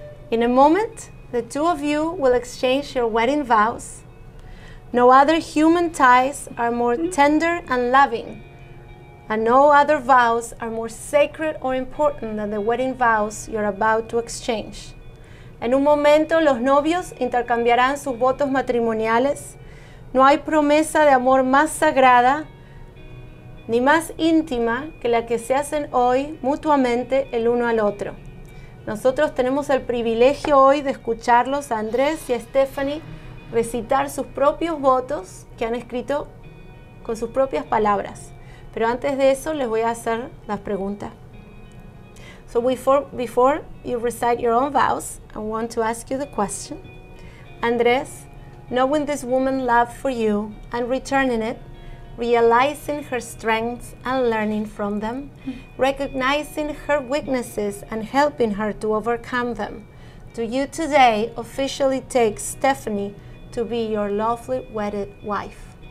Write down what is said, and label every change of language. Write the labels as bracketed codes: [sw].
[en] In a moment, the two of you will exchange your wedding vows. No other human ties are more tender and loving, and no other vows are more sacred or important than the wedding vows you're about to exchange. [es] En un momento, los novios intercambiarán sus votos matrimoniales. No hay promesa de amor más sagrada ni más íntima que la que se hacen hoy mutuamente el uno al otro. Nosotros tenemos el privilegio hoy de escucharlos a Andrés y a Stephanie recitar sus propios votos que han escrito con sus propias palabras. Pero antes de eso, les voy a hacer las preguntas. [en] So before you recite your own vows, I want to ask you the question. Andrés, knowing this woman's love for you and returning it, realizing her strengths and learning from them, recognizing her weaknesses and helping her to overcome them, do you today officially take Stephanie to be your lawfully wedded wife?